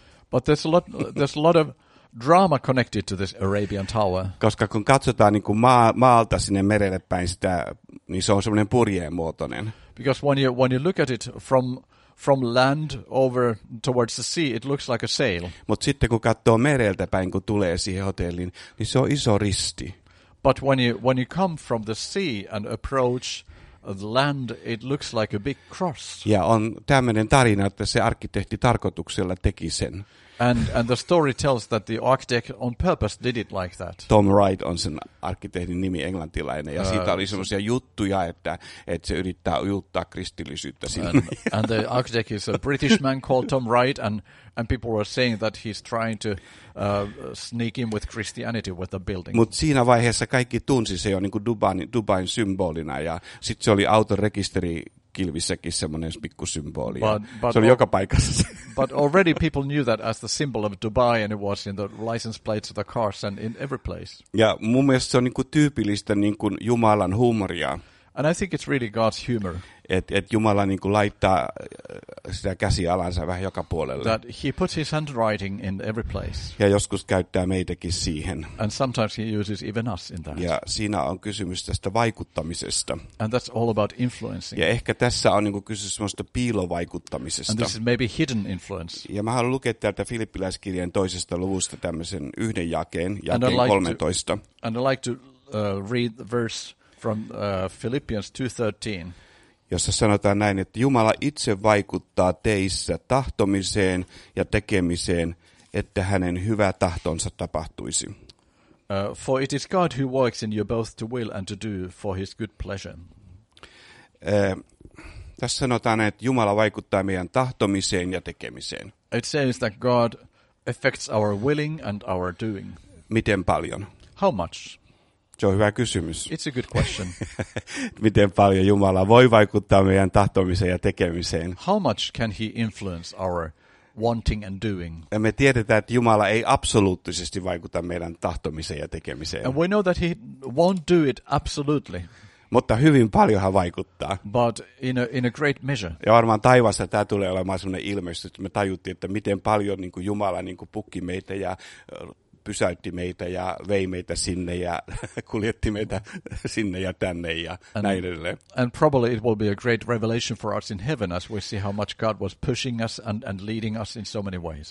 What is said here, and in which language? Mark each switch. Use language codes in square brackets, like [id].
[en] But there's a lot of drama connected to this Arabian Tower. [fi] Koska kun katsotaan niin kuin maalta sinne merelle päin sitä, niin se on semmoinen purjeen muotoinen. [en] Because when you look at it from land over towards the sea, it looks like a sail. [fi] Mut sitten kun katsoo mereltä päin, kun tulee siihen hotelliin, niin se on iso risti. [en] But when you come from the sea and approach the land, it looks like a big cross. [fi] Ja on tämmöinen tarina, että se arkkitehti tarkoituksella teki sen. [en] And the story tells that the architect on purpose did it like that. [fi] Tom Wright on sen arkkitehdin nimi, englantilainen, ja siitä oli semmoisia juttuja, että se yrittää ujuttaa kristillisyyttä sinne. [en] And the architect is a British man called Tom Wright, and people were saying that he's trying to sneak in with Christianity with the building. [fi] Mut siinä vaiheessa kaikki tunsi se jo niin kuin Dubain symbolina, ja sitten se oli auton rekisterikilvissäkin semmoinen pikkusymboli. Se oli joka paikassa. [en] But already people knew that as the symbol of Dubai, and it was in the license plates of the cars and in every place. [fi] Ja mun mielestä se on niin kuin tyypillistä niin kuin Jumalan huumoria. [en] And I think it's really God's humor. [fi] Et Jumala niin kuin laittaa sitä käsialansa vähän joka puolelle. [en] That he puts his handwriting in every place. [fi] Ja joskus käyttää meitäkin siihen. [en] And sometimes he uses even us in that. [fi] Ja siinä on kysymys tästä vaikuttamisesta. [en] And that's all about influencing. [fi] Ja ehkä tässä on niin kuin kysymys semmoista piilovaikuttamisesta. [en] And this is maybe hidden influence. [fi] Ja mä haluan lukea täältä Filippiläiskirjeen toisesta luvusta tämmöisen yhden jakeen 13. [en] And I'd like to read the verse from Philippians 2:13. [fi] Jossa sanotaan näin, että Jumala itse vaikuttaa teissä tahtomiseen ja tekemiseen, että hänen hyvä tahtonsa tapahtuisi. [en] For it is God who works in you both to will and to do for his good pleasure. [fi] Tässä sanotaan, että Jumala vaikuttaa meidän tahtomiseen ja tekemiseen. [en] It says that God affects our willing and our doing. [fi] Miten paljon? [en] How much? [fi] Se on hyvä kysymys. [en] It's a good question. [fi] Miten paljon Jumala voi vaikuttaa meidän tahtomiseen ja tekemiseen? [en] How much can he influence our wanting and doing? [fi] Ja me tiedetään, että Jumala ei absoluuttisesti vaikuta meidän tahtomiseen ja tekemiseen. [en] And we know that he won't do it absolutely. [fi] Mutta hyvin paljon hän vaikuttaa. [en] But in a great measure. [fi] Ja varmaan taivaassa tämä tulee olemaan sellainen ilmestys, että me tajuttiin, että miten paljon niin kuin Jumala niin kuin pukki meitä ja pysäytti meitä ja vei meitä sinne ja kuljetti meitä sinne ja tänne ja näin edelleen. [en] And probably it will be a great revelation for us in heaven as we see how much God was pushing us and leading us in so many ways.